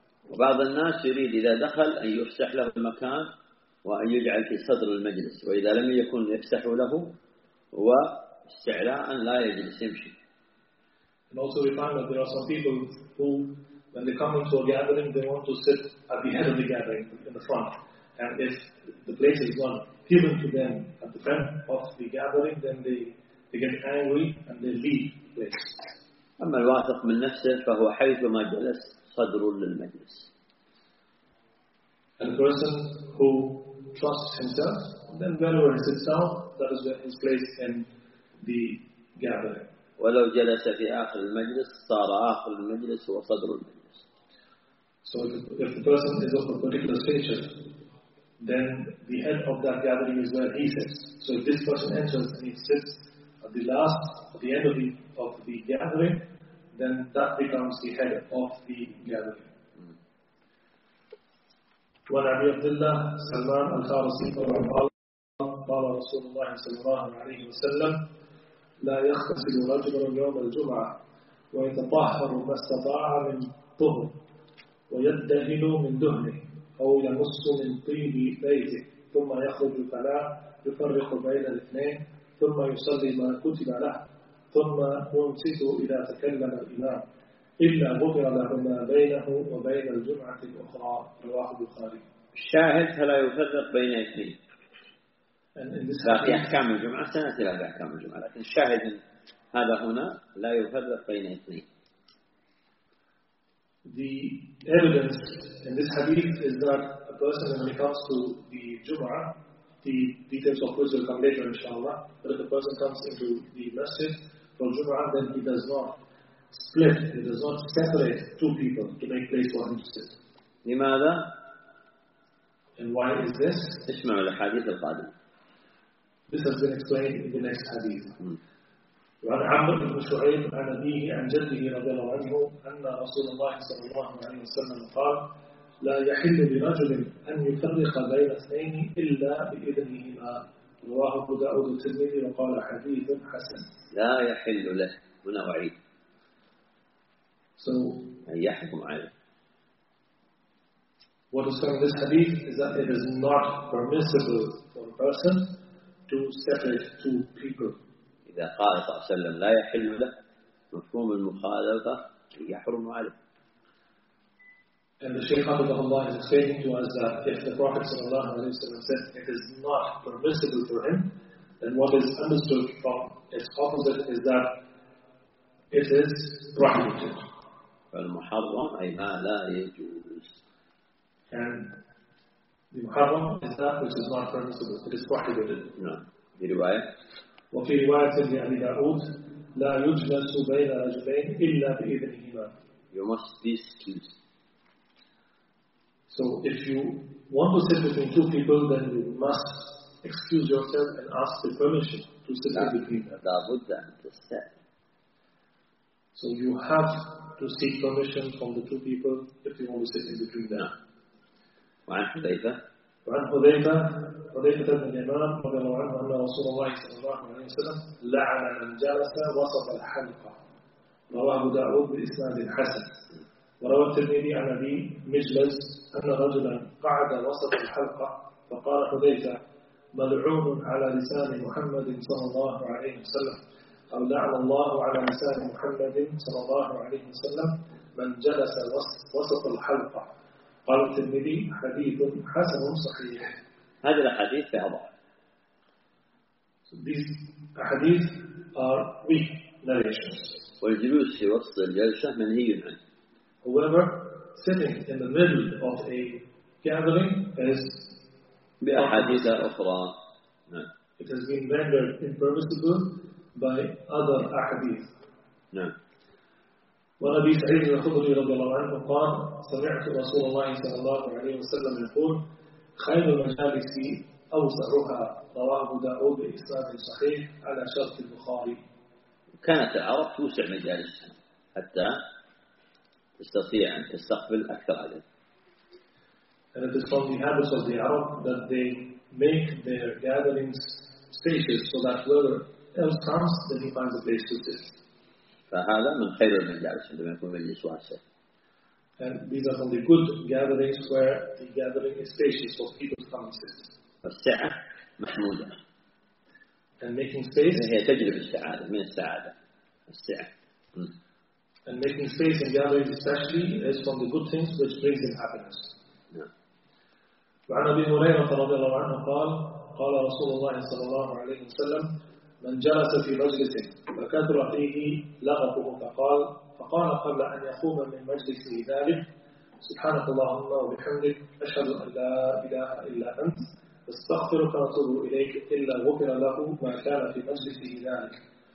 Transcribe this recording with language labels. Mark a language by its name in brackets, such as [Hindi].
[Arabic] وبعض الناس يريد إذا دخل أن يفسح له المكان وأن يجعل في صدر المجلس، وإذا لم يكن يفسح له هو استعلاء لا يجلس يمشي. [English] And also we find that there are some people who, when they come into a gathering, they want to sit at the head of the gathering, in the front. And if the place is not given to them at the front of the gathering, then they get angry and they leave the place. [Arabic] أما الواثق من نفسه فهو حيثما جلس صدر للمجلس. [English] And the person who trusts himself, then wherever he sits down, that is his place in the gathering. [Arabic] ولو جلس في آخر المجلس صار آخر المجلس هو صدر المجلس. [English] So if the person is of a particular stature, then the head of that gathering is where he sits. So if this person enters and he sits at the last, at the end of the gathering, then that becomes the head of the gathering. [Arabic] وعن أبي عبد الله سلمان الفارسي رضي الله عنه قال رسول الله صلى الله عليه وسلم لا يغتسل رجل يوم الجمعة ويتطهر ما استطاع من طهر ويدهن من دهنه أو يمص من طيب بيته ثم يخرج فلا يفرق بين الاثنين ثم يصلي ما كتب له ثم ينصت إذا تكلم الإمام إلا غفر له ما بينه وبين الجمعة الأخرى رواه البخاري. الشاهد فلا يفرق بين اثنين. باقي أحكام الجمعة سنة لا أحكام الجمعة لكن الشاهد هذا هنا لا يفرق بين اثنين. [English] The evidence in this hadith is that a person when it comes to the Jum'ah, the details of which will come later inshallah, but if a person comes into the masjid for Jum'ah, then he does not split, he does not separate two people to make place for him to sit. [Arabic] لماذا؟ [English] And why is this? [Arabic] اسمعوا الحديث القادم. [English] This has been explained in the next hadith. [Arabic] وعن عمرو بن شعيب عن أبيه عن جده رضي الله عنه أن رسول الله صلى الله عليه وسلم قال لا يحل لرجل أن يفرق بين اثنين إلا بإذنهما رواه أبو داود الترمذي وقال حديث حسن. لا يحل له هنا وعيد. [English] So [Arabic] أن يحكم عليه. [English] What is from this hadith is that it is not permissible for a person to separate two people. [Arabic] إذا قال صلى الله عليه وسلم لا يحل له مفهوم المخالفة يحرم عليه. [English] And the Shaykh Abdullah Allah is saying to us that if the Prophet [Arabic] صلى الله عليه وسلم [English] said it is not permissible for him, then what is understood from its opposite is that it is prohibited. [Arabic] فالمحرم أي ما لا يجوز. [English] And the محرم is that which is not permissible. It is prohibited. [Arabic] نعم. في رواية. وفي رواية لأبي داود لا يجلس بين رجلين إلا بإذنهما. [English] You must be excused. So if you want to sit between two people, then you must excuse yourself and ask the permission to sit between them. [Arabic] لابد أن تستأذن. [English] So you have to seek permission from the two people if you want to sit in between them. [Arabic] وعن حذيفة. وعن حذيفة. وذلك بن اليمان رضي الله عنه أن رسول الله صلى الله عليه وسلم لعن من جلس وسط الحلقة رواه أبو داود بإسناد حسن. وروى الترمذي عن أبي مجلس أن رجلا قعد وسط الحلقة فقال حذيفة: ملعون على لسان محمد صلى الله عليه وسلم، أو لعن الله على لسان محمد صلى الله عليه وسلم من جلس وسط الحلقة. قال الترمذي: حديث حسن صحيح. هذا الحديث في أضعف. [English] These hadith are weak narrations. [Arabic] والجلوس في وسط الجلسة منهي عنه. [English] However, sitting in the middle of a gathering is [Arabic] بأحاديث أخرى. [English] It has been rendered impermissible by other hadith. [Arabic] ونبي سعيد الخدري رضي الله عنه قال: سمعت رسول الله صلى الله عليه وسلم يقول: خير المجالس أوسعها. رواه أبو داود بإسناد صحيح على شرط البخاري. كانت العرب توسع مجالسها حتى تستطيع أن تستقبل أكثر عدد. [English] And it is from the habits of the Arab that they make their gatherings spacious so that whoever else comes, then he finds a place to sit. [Arabic] فهذا من خير المجالس عندما يكون مجلس واسع. [English] And these are from the good gatherings where the gathering is spacious so people come and sit. [Arabic] فالسعة محمودة. [English] And making space. [Arabic] هي تجربة السعادة من السعادة. السعة. [English] And making space in gatherings especially is from the good things which brings them happiness. [Arabic] وعن أبي هريرة رضي الله عنه قال: قال رسول الله صلى الله عليه وسلم: من جلس في مجلس فكثر فيه لغته فقال قبل أن يقوم من مجلسه ذلك: سبحانك اللهم وبحمدك، أشهد أن لا إله إلا أنت، استغفرك واتوب إليك، إلا غفر له ما كان في مجلسه ذلك.